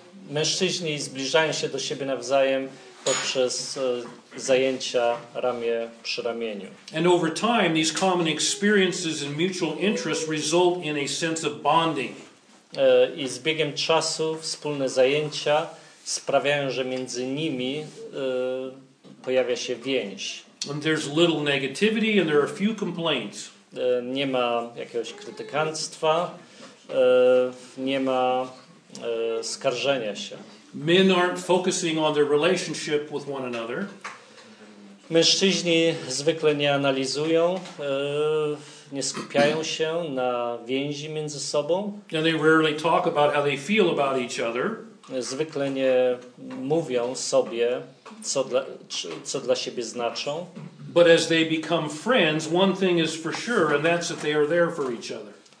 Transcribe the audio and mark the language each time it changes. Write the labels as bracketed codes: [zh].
[pl] Mężczyźni zbliżają się do siebie nawzajem poprzez zajęcia ramię przy ramieniu. [en] And over time these common experiences and mutual interests result in a sense of bonding. [pl] I z biegiem czasu wspólne zajęcia sprawiają, że między nimi pojawia się więź. [en] And there's little negativity and there are few complaints. [pl] nie ma jakiegoś krytykanctwa, nie ma skarżenia się. [en] Men aren't focusing on their relationship with one another. [pl] Mężczyźni zwykle nie analizują, nie skupiają się na więzi między sobą. [en] And they rarely talk about how they feel about each other. [pl] Zwykle nie mówią sobie, co dla siebie znaczą. [en] But as they become friends, one thing is for sure, and that's that they are there for each other.